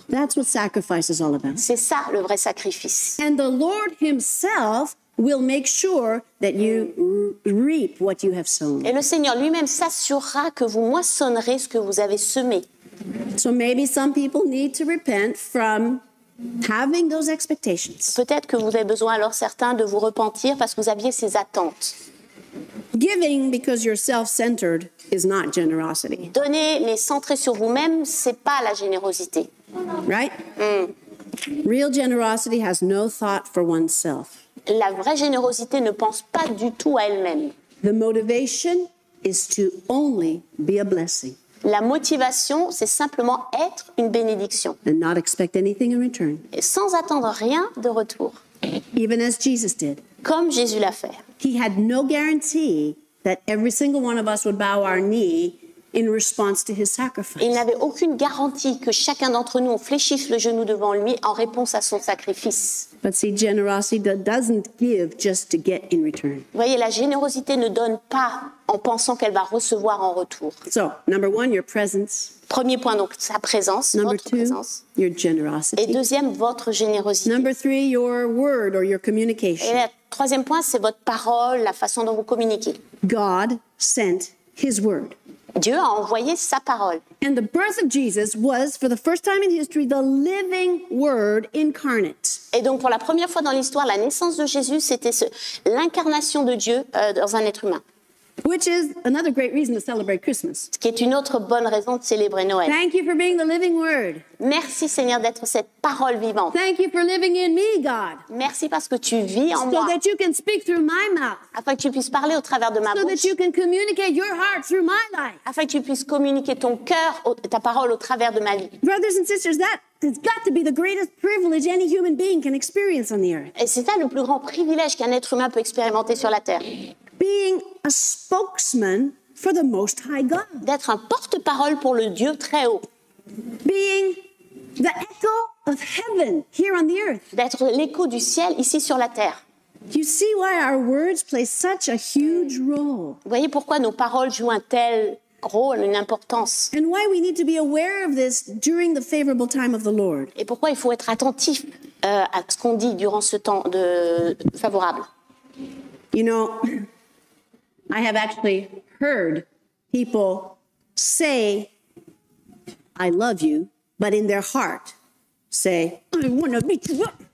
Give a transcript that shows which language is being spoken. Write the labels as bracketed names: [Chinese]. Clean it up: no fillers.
[English] That's what sacrifice is all about. [French] C'est ça le vrai sacrifice. [English] And the Lord himself will make sure that you reap what you have sown. [French] Et le Seigneur lui-même s'assurera que vous moissonnerez ce que vous avez semé. [English] So maybe some people need to repent from having those expectations. [French] Peut-être que vous avez besoin alors certains de vous repentir parce que vous aviez ces attentes. [English] Giving because you're self-centered is not generosity. [French] Donner mais centré sur vous-même, c'est pas la générosité. [English] Right? Real generosity has no thought for oneself. [French] La vraie générosité ne pense pas du tout à elle-même. [English] The motivation is to only be a blessing. [French] La motivation, c'est simplement être une bénédiction. [English] And not expect anything in return. [French] Et sans attendre rien de retour. [English] Even as Jesus did. [French] Comme Jésus l'a fait. [English] He had no guarantee that every single one of us would bow our knee in response to his sacrifice. [French] Il n'avait aucune garantie que chacun d'entre nous fléchisse le genou devant lui en réponse à son sacrifice. [English] But see, generosity doesn't give just to get in return. [French] Vous voyez, la générosité ne donne pas en pensant qu'elle va recevoir en retour. [English] So, number one, your presence. [French] Premier point, donc, sa présence, [English] number [French] votre [English] two, [French] présence. [English] Your generosity. [French] Et deuxième, votre générosité. [English] Number three, your word or your communication. [French] Et le troisième point, c'est votre parole, la façon dont vous communiquez. [English] God sent his word. [French] Dieu a envoyé sa parole. [English] And the birth of Jesus was, for the first time in history, the living word incarnate. [French] Et donc, pour la première fois dans l'histoire, la naissance de Jésus, c'était l'incarnation de Dieu dans un être humain. [English] Which is another great reason to celebrate Christmas. [French] Ce qui est une autre bonne raison de célébrer Noël. [English] Thank you for being the living word. [French] Merci Seigneur d'être cette parole vivante. [English] Thank you for living in me, God. [French] Merci parce que tu vis en [English] so [French] moi. [English] So that you can speak through my mouth. [French] Afin que tu puisses parler au travers de ma [English] so [French] bouche. [English] So that you can communicate your heart through my life. [French] Afin que tu puisses communiquer ton cœur, ta parole au travers de ma vie. [English] Brothers and sisters, that has got to be the greatest privilege any human being can experience on the earth. [French] Et c'est ça le plus grand privilège qu'un être humain peut expérimenter sur la terre. [English] Being a spokesman for the Most High God. [French] D'être un porte-parole pour le Dieu très haut. [English] Being the echo of heaven here on the earth. [French] D'être l'écho du ciel ici sur la terre. [English] You see why our words play such a huge role. [French] Vous voyez pourquoi nos paroles jouent un tel rôle, une importance. [English] And why we need to be aware of this during the favorable time of the Lord. [French] Et pourquoi il faut être attentif à ce qu'on dit durant ce temps de favorable. [English] You know, I have actually heard people say, I love you, but in their heart say, I want to beat you up.